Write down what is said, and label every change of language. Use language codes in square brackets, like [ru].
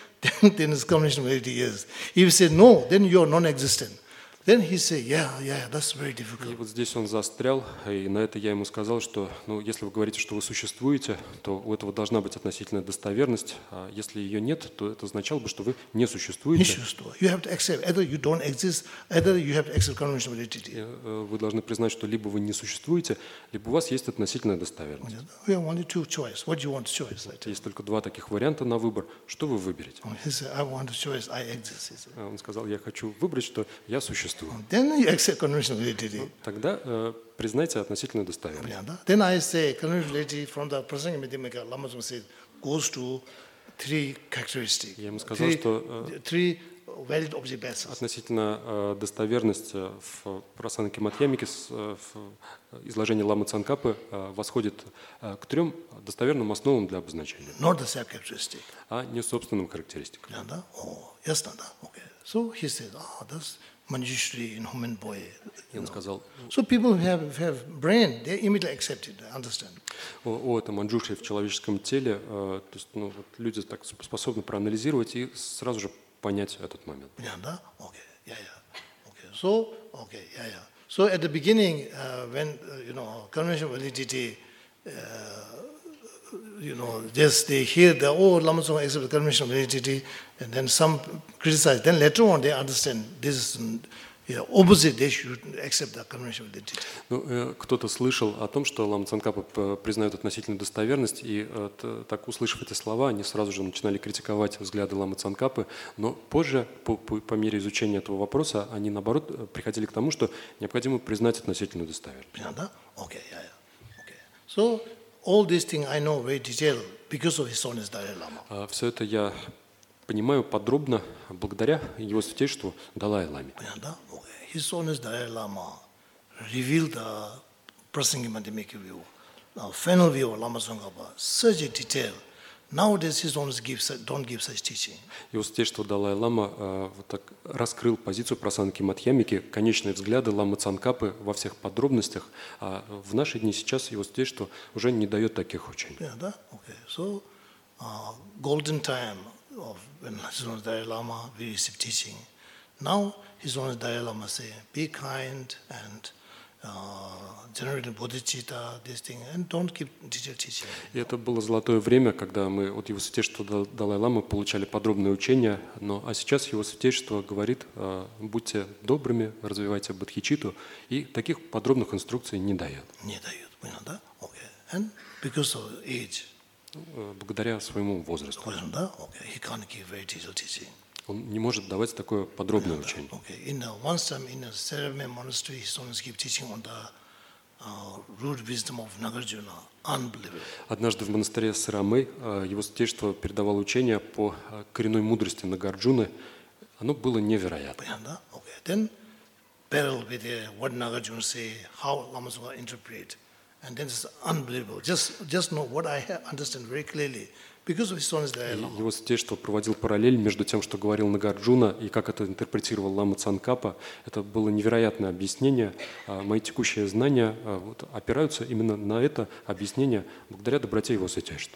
[en] then his combination of reality is. If you say no, then you are non-existent. Then he say, yeah, that's very difficult. [ru] И вот здесь он застрял, и на это я ему сказал, что, ну, если вы говорите, что вы существуете, то у этого должна быть относительная достоверность. А если ее нет, то это означало бы, что вы не существуете. Не существует. [en] You have to accept either you don't exist, either you have to accept conventional validity. [ru] Вы должны признать, что либо вы не существуете, либо у вас есть относительная достоверность. [en] We have only two choices. What do you want to choose? [ru] Есть только два таких варианта на выбор. Что вы выберете? [en] He said, I want to choose. I exist. [ru] Он сказал, я хочу выбрать, что я существую. [en] Then you accept conventional validity. [ru] Тогда признайте относительную достоверность. [en] Yeah, yeah. Then I say conventional validity from the present Madhyamaka Lama Tsongkhapa says goes to three characteristics. [ru] Я ему сказал, что [en] three valid object bases. [ru] Относительно достоверность в просанке Мадхьямики в изложении Лама Цанкапы восходит к трем достоверным основам для обозначения. [en] Not the same characteristic. [ru] А не собственным характеристикам. [en] Yeah, yeah. Oh, yes, yeah, yeah. Okay. So he says, ah, oh, that's Manjushri in human boy. [ru] Сказал, [en] so people who have brain, they immediately accept it, understand. [ru] О, это манджушри в человеческом теле, то есть, ну, вот люди так способны проанализировать и сразу же понять этот момент. Понятно, да? [en] Okay, yeah, yeah. Okay, so, okay, yeah, yeah. So at the beginning, when, you know, conventional validity, you know, just they hear the, oh, Lama Tsongkhapa accept the conventional validity, and then some criticize. Then later on, they understand this is, you know, opposite, they should accept the conventional validity. [ru] Ну, кто-то слышал о том, что Лама Цанкапа признает относительную достоверность, и так, услышав эти слова, они сразу же начинали критиковать взгляды Лама Цанкапы, но позже, по мере изучения этого вопроса, они, наоборот, приходили к тому, что необходимо признать относительную достоверность. Понятно, да? [en] Okay, yeah, yeah. Okay. So, all these things I know very detailed because of His Holiness Dalai Lama. [ru] Все это я понимаю подробно благодаря Его Святейшеству Далай Ламе. [en] His Holiness Dalai Lama revealed the Prasangika Madhyamika view, the final view of Lama Tsongkhapa, such a detail. Nowadays His Holiness don't give such teaching. [ru] Его Святейшество Далай Лама вот так раскрыл позицию Прасангики Мадхьямики, конечные взгляды Лама Цанкапы во всех подробностях. А в наши дни сейчас Его Святейшество уже не дает таких учений. [en] Yeah, да? Okay. So, golden time of when His Holiness Dalai Lama received teaching. Now His Holiness Dalai Lama say, be kind and generating bodhicitta, this thing, and don't keep detailed teaching. [ru] И это было золотое время, когда мы от Его Святейшества Далай-Ламы получали подробные учения, но а сейчас Его Святейшество говорит, будьте добрыми, развивайте бодхичитту, и таких подробных инструкций не дает. Не дает, понятно, да? [en] Okay. And because of age. [ru] Благодаря своему возрасту. Понятно, да? [en] Okay. He can't give very detailed teaching. [ru] Он не может давать такое подробное учение. [en] Okay. In the once time in a Saramaya monastery, His Holiness gave teaching on the root wisdom of Nagarjuna. Unbelievable. [ru] Однажды в монастыре Сарамы Его Святейшество передавал учение по коренной мудрости Нагарджуны. Оно было невероятно. [en] Okay. Then parallel with what Nagarjuna say, how Lama Tsongkhapa interpret, and then it's unbelievable. Just know what I understand very clearly. Because of His Holiness Dalai Lama. [ru] Его Святейшество проводил параллель между тем, что говорил Нагарджуна, и как это интерпретировал Лама Цанкапа. Это было невероятное объяснение. Мои текущие знания вот, опираются именно на это объяснение благодаря доброте Его Святейшества.